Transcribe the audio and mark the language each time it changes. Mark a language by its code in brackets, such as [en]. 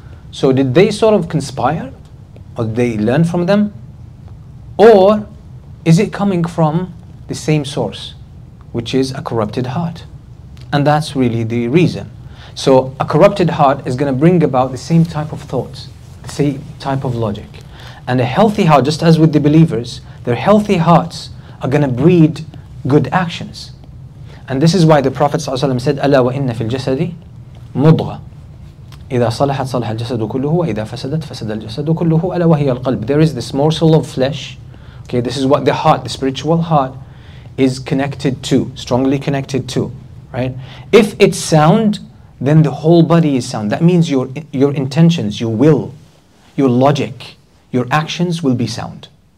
[en] So did they sort of conspire, or did they learn from them, or is it coming from the same source, which is a corrupted heart? And that's really the reason. So a corrupted heart is going to bring about the same type of thoughts, the same type of logic. And a healthy heart, just as with the believers, their healthy hearts are going to breed good actions. And this is why the Prophet ﷺ said, [ar] أَلَا وَإِنَّ فِي الْجَسَدِ مُضْغَ إِذَا صَلَحَتْ صَلَحَ الْجَسَدُ كُلُّهُ وَإِذَا فَسَدَتْ فَسَدَ الْجَسَدُ كُلُّهُ أَلَا وَهِيَ الْقَلْبِ. [en] There is this morsel of flesh. Okay, this is what the heart, the spiritual heart, is connected to, strongly connected to. Right? If it's sound, then the whole body is sound. That means your intentions, your will, your logic, your actions will be sound.